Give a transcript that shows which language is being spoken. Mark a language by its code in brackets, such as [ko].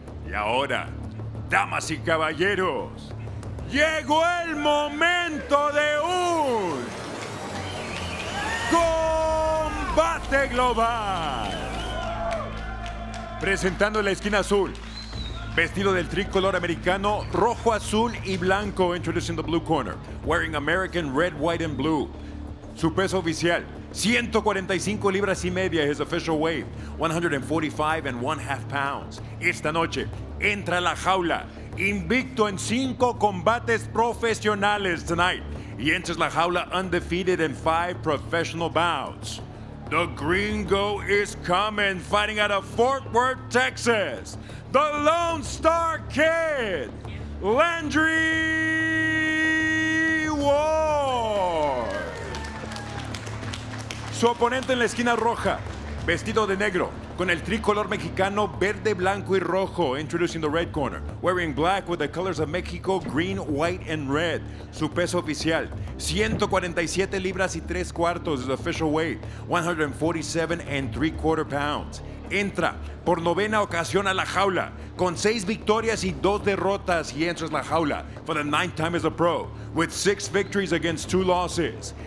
[es] Y ahora, damas y caballeros, llegó el momento de un combate global. Presentando en la esquina azul, vestido del tricolor americano, rojo, azul y blanco. [en] Introducing the blue corner, wearing American red, white and blue. [es] Su peso oficial, 145 libras y media, [en] his official weight, 145.5 pounds. [es] Esta noche, entra a la jaula, invicto en 5 combates profesionales [en] tonight. [es] Y entra la jaula [en] undefeated in 5 professional bouts. The gringo is coming, fighting out of Fort Worth, Texas. The Lone Star Kid, Landry Ward. [es] Su oponente en la esquina roja, vestido de negro, con el tricolor mexicano verde, blanco y rojo. [en] Introducing the red corner, wearing black with the colors of Mexico, green, white and red. [es] Su peso oficial, 147 libras y 3 cuartos. [en] His official weight, 147.75 pounds. [es] Entra por novena ocasión a la jaula con 6 victorias y 2 derrotas. [en] Y enters [es] la jaula [en] for the 9th time as a pro with 6 victories against 2 losses.